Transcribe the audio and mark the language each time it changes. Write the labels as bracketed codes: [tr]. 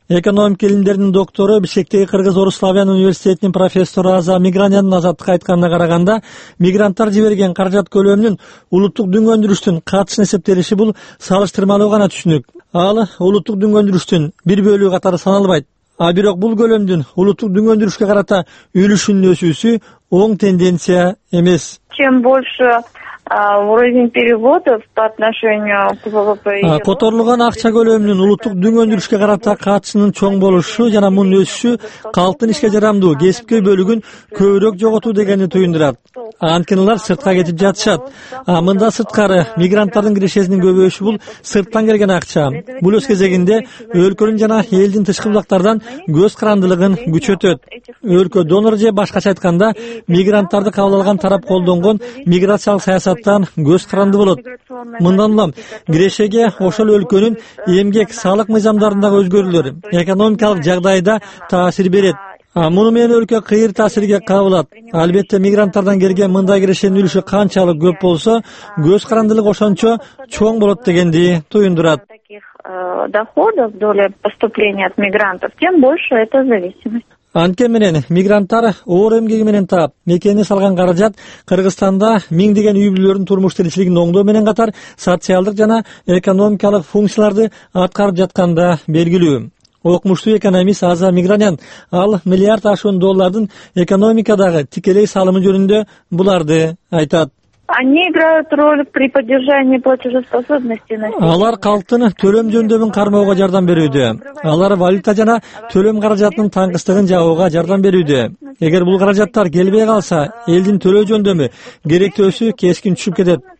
[ky] Экономика илимдеринин доктору, Бишкектеги Кыргыз Орус Славян университетинин профессору Аза Миграниянын Азаттыкка айтканына караганда, мигранттар жиберген каражат көлөмүнүн улуттук дүнгөндүрүштүн катышын эсептелиши бул салыштырмалуу гана түшүнүк. Ал улуттук дүнгөндүрүштүн бир бөлүгү катары саналбайт. Бирок бул көлөмдүн улуттук дүнгөндүрүшкө карата үлүшүнүн өсүүсү оң тенденция эмес. [ru] Чем больше уровень переводов по отношению к ВВП. [ky] Которулган акча көлөмүнүн улуттук дүнгөндүрүшкө карата катышынын чоң болушу жана мунун өсүшү калктын ишке жарамдуу кесипкөй бөлүгүн көбүрөөк жоготуу дегенди туюндурат. Анткени алар сыртка кетип жатышат. Мында сырткары мигранттардын кирешесинин көбөйүшү бул сырттан келген акча. Бул өз кезегинде өлкөнүн жана элдин тышкы булактардан көз карандылыгын күчөтөт. Өлкө донор же башкача айтканда мигранттарды кабыл алган тарап колдонгон миграциялык саясаттан көз каранды болот. Мындан улам кирешеге ошол өлкөнүн эмгек салык мыйзамдарындагы өзгөрүүлөр экономикалык жагдайда таасир берет. Муну менен өлкө кыйыр таасирге кабылат. Албетте, мигранттардан келген мындай кирешенин үлүшү канчалык көп болсо, көз карандылык ошончо чоң болот дегенди туюндурат. [ru] Доходов, доля поступления от мигрантов, тем больше это зависимость. [ky] Анткени менен мигранттар оор эмгеги менен таап мекени салган каражат Кыргызстанда миңдеген үй бүлөлөрдүн турмуш тиричилигин оңдоо менен катар социалдык жана экономикалык функцияларды аткарып жатканда белгилүү. Окумуштуу экономист Аза Мигранян ал миллиард ашуун доллардын экономикадагы тикелей салымы жөнүндө буларды айтат. [ru] Они играют роль при поддержании платежеспособности населения. [ky] Алар калктын төлөм жөндөмүн кармоого жардам берүүдө. Алар валюта жана төлөм каражатынын таңкыстыгын жабууга жардам берүүдө. Эгер бул каражаттар келбей калса, элдин төлөө жөндөмү керектөөсү кескин түшүп кетет.